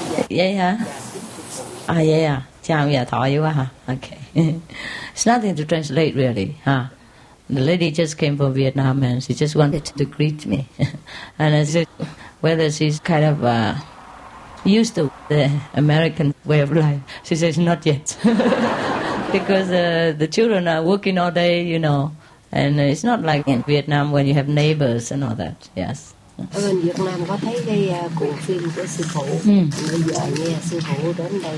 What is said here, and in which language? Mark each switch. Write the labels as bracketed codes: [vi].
[vi] Vậy hả? À vậy à, chào giờ thọ vậy quá hả? [en] Ok. It's nothing to translate really, huh? The lady just came from Vietnam and she just wanted to greet me. And I said, whether she's kind of used to the American way of life. She says, not yet. Because the children are working all day, you know. And it's not like in Vietnam when you have neighbors and all that. Yes. [vi] Ở bên Việt Nam có thấy cái cuộn phim của sư phụ. Bây giờ nghe sư phụ đến đây